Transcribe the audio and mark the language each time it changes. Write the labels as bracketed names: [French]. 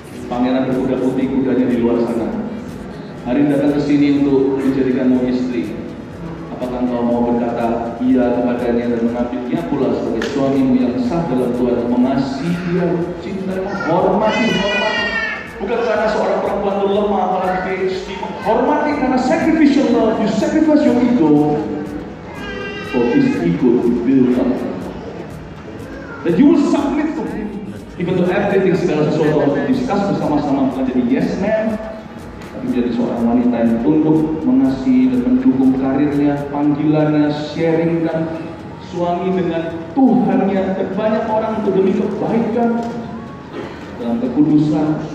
[Indonesian] Pangeran berkuda putih, kudanya di luar sana. Hari ini datang ke sini untuk menjadikanmu istri. Apakah kau mau berkata iya kepadanya dan mengambilnya pula sebagai suamimu yang sah dalam Tuhan, mengasihi dia, cinta, hormati, hormati. Bukan karena seorang perempuan itu lemah, apalagi istri. Hormati karena [English] sacrificial love, you sacrifice your ego for his ego to build up. That you will submit to him, even to everything, [Indonesian] segala sesuatu untuk discuss bersama-sama, bukan jadi yes man, tapi menjadi seorang wanita yang tunduk, mengasihi dan mendukung karirnya, panggilannya, sharing dan suami dengan Tuhannya dan banyak orang untuk demi kebaikan dalam kekudusan.